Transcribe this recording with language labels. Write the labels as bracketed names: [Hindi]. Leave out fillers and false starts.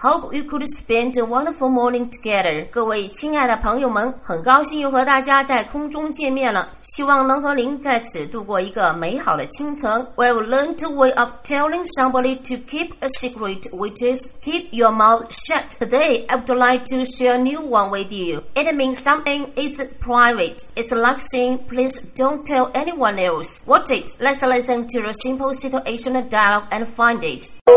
[English] Hope you could spend a wonderful morning together. [Chinese] 各位亲爱的朋友们，很高兴又和大家在空中见面了，希望能和您在此度过一个美好的清晨。 [English] We have learned a way of telling somebody to keep a secret, which is keep your mouth shut. Today, I would like to share a new one with you. It means something is private. It's like saying, please don't tell anyone else. What's it? Let's listen to the simple situation and dialogue and find it.